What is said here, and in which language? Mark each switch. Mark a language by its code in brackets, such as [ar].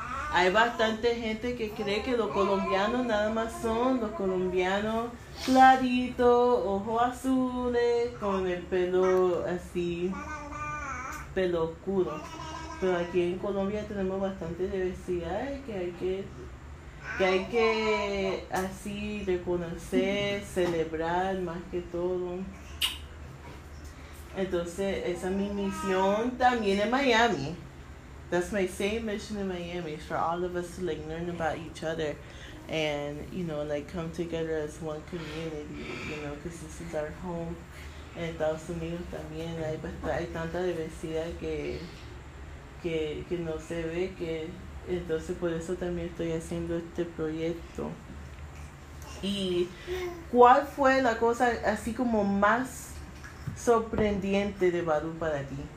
[es] hay bastante gente que cree que los colombianos nada más son los colombianos claritos, ojos azules, con el pelo así, pelo oscuro. Pero aquí en Colombia tenemos bastante diversidad, que hay que que hay que así reconocer, celebrar más que todo. Entonces, esa es mi misión también en Miami. [en] That's my same mission in Miami, for all of us to like learn about each other and, you know, like come together as one community, you know, because this is our home. [es] En Estados Unidos también hay, hay tanta diversidad que no se ve, que entonces por eso también estoy haciendo este proyecto. ¿Y cuál fue la cosa así como más sorprendente de Barú para ti?